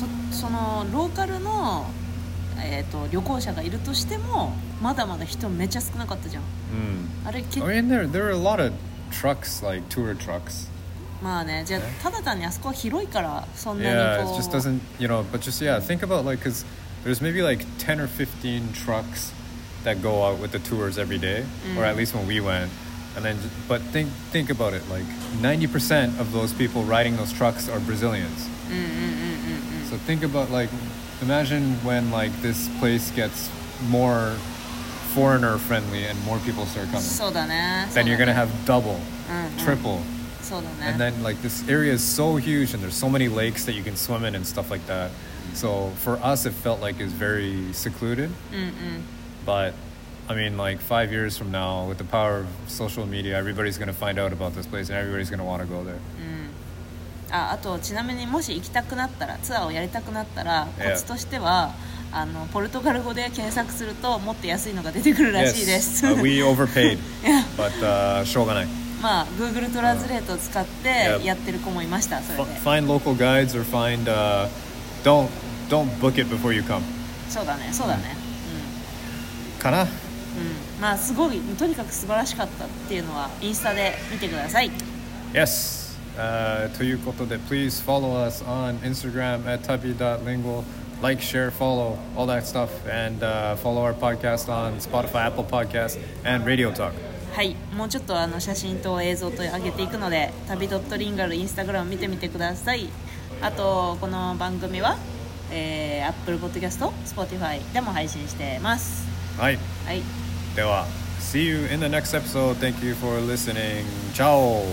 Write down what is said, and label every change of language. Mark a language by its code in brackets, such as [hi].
[ja] そのローカルの旅行者がいるとしてもまだまだ人めちゃ少なかったじゃん。 [en] あれ、I mean, there are a lot of trucks, like tour trucks. [ja] まあね、じゃあただ単にあそこは広いからそんなにこう。 [en] Yeah, it just doesn't, you know, but just, yeah, think about like, because there's maybe like 10 or 15 trucks that go out with the tours every day, or at least when we went. And then, but think about it, like 90% of those people riding those trucks are Brazilians. So think about like, imagine when like this place gets more foreigner friendly and more people start coming. [ja] そうだね。 [en] Then you're gonna have double, triple. [ja] そうだね。 [en] And then like this area is so huge and there's so many lakes that you can swim in and stuff like that. So for us, it felt like it's very secluded. But I mean, like 5 years from now, with the power of social media, everybody's gonna find out about this place and everybody's gonna wanna go there. [ja] あとちなみにもし行きたくなったらツアーをやりたくなったらコツとしては、yeah. ポルトガル語で検索するともっと安いのが出てくるらしいです、 [en] yes. We overpaid but [ja] しょうがない、まあ、Google トランスレートを使ってやってる子もいました、yeah. それで [en] find local guides or find don't book it before you come [ja] そうだねそうだね、うん、かな、うん、まあすごいとにかく素晴らしかったっていうのはインスタで見てください [en] Yes [ja] ということで [en] please follow us on Instagram at tabi.lingual like, share, follow all that stuff and follow our podcast on Spotify, Apple Podcast and Radio Talk [ja] はいもうちょっと写真と映像と上げていくので tabi.lingual Instagram 見てみてくださいあとこの番組は、Apple Podcast Spotify でも配信してますはい、はい、では [en] See you in the next episode Thank you for listening Ciao